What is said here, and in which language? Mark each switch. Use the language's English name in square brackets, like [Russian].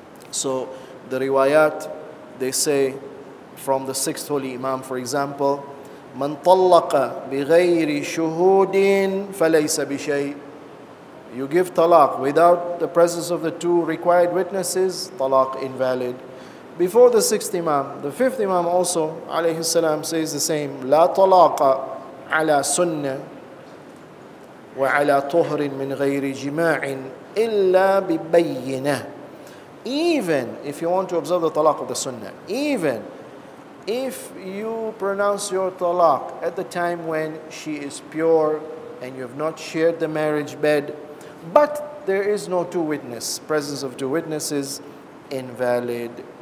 [English] So the riwayat, they say, from the sixth holy imam, for example, [Arabic] من طلق بغير شهود فليس بشيء. [English] You give talaq without the presence of the two required witnesses, talaq invalid. Before the sixth imam, the fifth imam also, alayhi salam, says the same. [Arabic] لا طلاق على سنة وعلى طهر من غير جماع إلا ببينة. [English] Even if you want to observe the talaq of the sunnah, even if you pronounce your talaq at the time when she is pure and you have not shared the marriage bed, but there is no two witness, presence of two witnesses, invalid.